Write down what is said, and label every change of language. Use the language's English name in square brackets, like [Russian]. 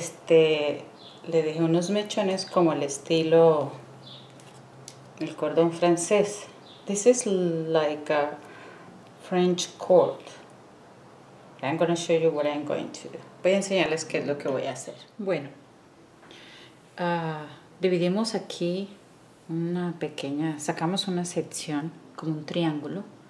[Spanish] Le dejé unos mechones como el estilo, el cordón francés. [English] This is like a French cord. I'm going to show you what I'm going to do. [Spanish] Voy a enseñarles qué es lo que voy a hacer. Bueno, dividimos aquí una pequeña, sacamos una sección como un triángulo.